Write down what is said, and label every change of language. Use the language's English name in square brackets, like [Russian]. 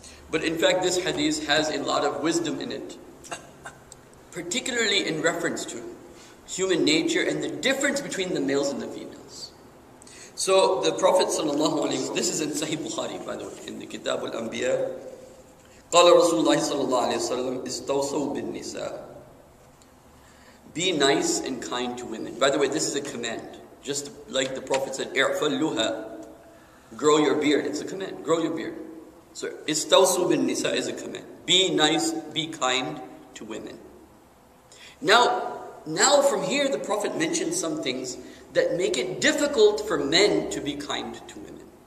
[English] But in fact, this hadith has a lot of wisdom in it, particularly in reference to human nature and the difference between the males and the females. So the Prophet sallallahu alaihi wasallam, this is in Sahih Bukhari, by the way, in the Kitab al-Anbiya. [Arabic] قال رسول الله صلى الله عليه وسلم استوصوا بالنساء. [English] Be nice and kind to women. By the way, this is a command. Just like the Prophet said, اعفلوها. Grow your beard. It's a command. Grow your beard. So استوصوا بالنساء is a command. Be nice, be kind to women. Now from here the Prophet mentioned some things that make it difficult for men to be kind to women.